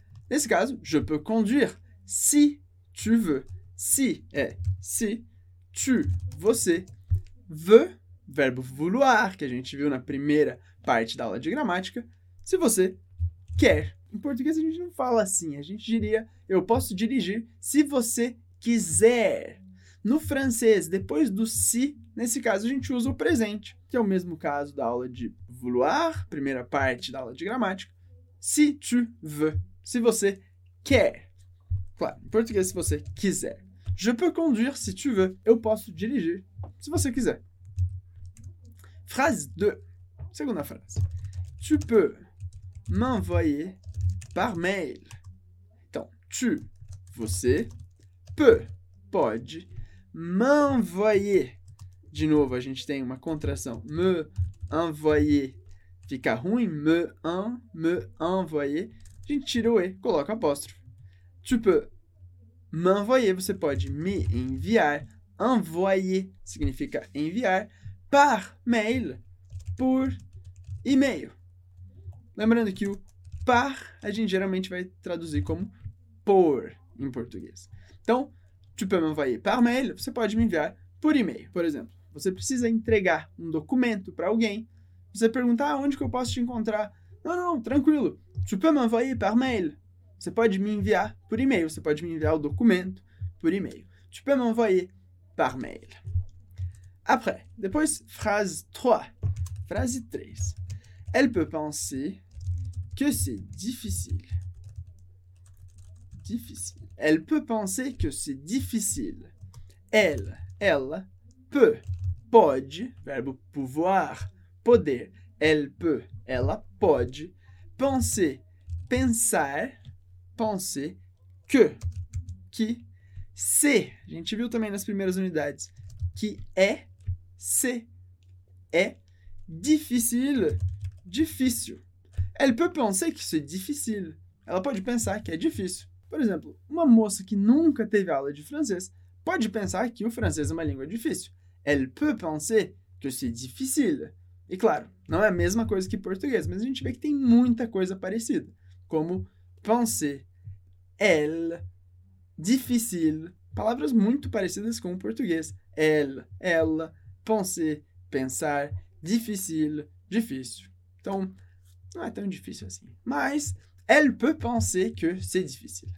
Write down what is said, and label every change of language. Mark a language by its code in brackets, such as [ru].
[pt] Nesse caso, [fr] je peux conduire si tu veux. [pt] Si é si, tu, você, veux, verbo vouloir, que a gente viu na primeira parte da aula de gramática, se você quer. Em português a gente não fala assim, a gente diria eu posso dirigir se você quiser. No francês, depois do si, nesse caso a gente usa o presente, que é o mesmo caso da aula de vouloir, primeira parte da aula de gramática, [fr] si tu veux. [pt] Se você quer. Claro, em português, se você quiser. [fr] Je peux conduire si tu veux. [pt] Eu posso dirigir se você quiser. Phrase 2. Segunda frase. [fr] Tu peux m'envoyer par mail. [pt] Então, tu, você, peut, pode, m'envoyer. De novo, a gente tem uma contração. [fr] Me envoyer. [pt] Fica ruim. [fr] Me envoyer. [pt] A gente tira o E, coloca apóstrofe. [fr] Tu peux m'envoyer, [pt] você pode me enviar. Envoyer significa enviar. Par mail, por e-mail. Lembrando que o par, a gente geralmente vai traduzir como por em português. Então, [fr] tu peux m'envoyer par mail, [pt] você pode me enviar por e-mail. Por exemplo, você precisa entregar um documento para alguém. Você pergunta, ah, onde que eu posso te encontrar? Não, tranquilo. [fr] Tu peux m'envoyer par mail. [pt] Você pode me enviar por e-mail. Você pode me enviar o documento por e-mail. [fr] Tu peux m'envoyer par mail. Après, depois, phrase 3. Phrase 3. Elle peut penser que c'est difficile. Difficile. Elle peut penser que c'est difficile. Elle peut, pode, verbo pouvoir, poder. Elle peut, [pt] ela pode. Penser, [fr] penser que c'est, [pt] a gente viu também nas primeiras unidades, que é, c'est, [fr] difficile, difícil. Elle peut penser que c'est difficile. [pt] Ela pode pensar que é difícil. Por exemplo, uma moça que nunca teve aula de francês pode pensar que o francês é uma língua difícil. [fr] Elle peut penser que c'est difficile. [pt] E claro, não é a mesma coisa que português, mas a gente vê que tem muita coisa parecida. Como penser, elle, difficile. Palavras muito parecidas com o português. Elle, ela, penser, pensar, difficile, difícil. Então, não é tão difícil assim. [fr] Mas, elle peut penser que c'est difficile.